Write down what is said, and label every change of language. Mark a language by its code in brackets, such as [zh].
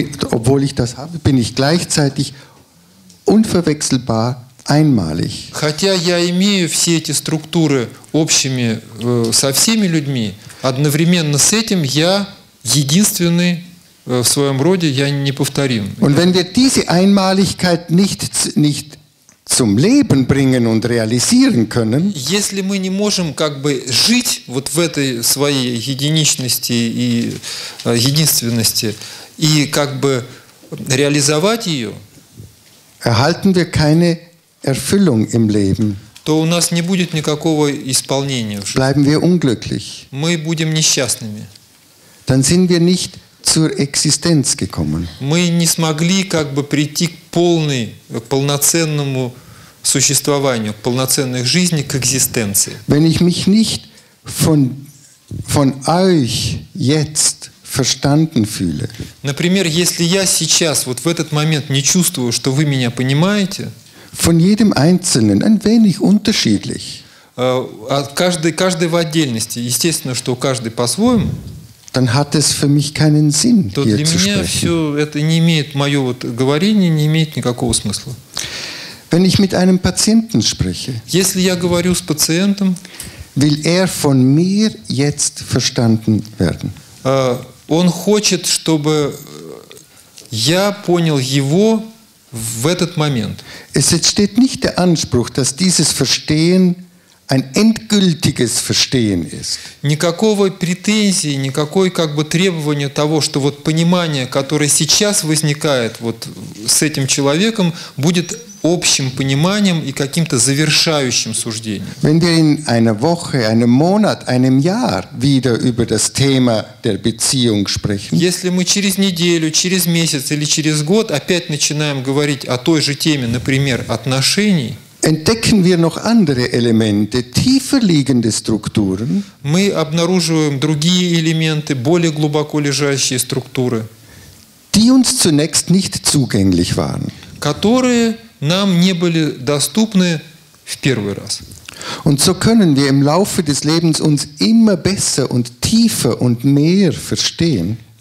[de] Obwohl ich das habe, bin ich gleichzeitig unverwechselbar, einmalig. [ru] Хотя я имею все эти структуры общими со всеми людьми, одновременно с этим я единственный в своем роде, я неповторим. [de] Und wenn wir diese Einmaligkeit nicht zum Leben bringen und realisieren können, [ru] если мы не можем как бы жить вот в этой своей единичности и единственности и как бы реализовать ее, [de] erhalten wir keine Erfüllung im Leben. [ru] То у нас не будет никакого исполнения. [de] Bleiben wir unglücklich. [ru] Мы будем несчастными. [de] Dann sind wir nicht zur Existenz gekommen. [ru] Мы не смогли как бы прийти к полноценному существованию, к полноценной жизни, к экзистенции. [de] Wenn ich mich nicht von euch jetzt verstanden fühle. [ru] Например, если я сейчас вот в этот момент не чувствую, что вы меня понимаете, [de] von jedem einzelnen ein wenig unterschiedlich. [ru] Каждый в отдельности, естественно, что каждый по-своему. [de] Dann hat es für mich keinen Sinn, hier zu sprechen. [ru] Для меня все это не имеет, мое вот говорение не имеет никакого смысла. [de] Wenn ich mit einem Patienten spreche, [ru] если я говорю с пациентом, [de] will er von mir jetzt verstanden werden. [ru] Он хочет, чтобы я понял его в этот момент. [de] Es entsteht nicht der Anspruch, dass dieses Verstehen ein endgültiges Verstehen ist. [ru] Никакого претензии, никакой как бы требования того, что вот понимание, которое сейчас возникает вот с этим человеком, будет общим пониманием и каким-то завершающим суждением. [de] Wenn wir in einer Woche, einem Monat, einem Jahr wieder über das Thema der Beziehung sprechen. [ru] Если мы через неделю, через месяц или через год опять начинаем говорить о той же теме, например, отношений. [de] Entdecken wir noch andere Elemente, tiefer liegende Strukturen. [ru] Мы обнаруживаем другие элементы, более глубоко лежащие структуры. [de] Die uns zunächst nicht zugänglich waren. [ru] Которые нам не были доступны в первый раз. [de] Und so können wir im Laufe des Lebens uns immer besser und tiefer und mehr verstehen.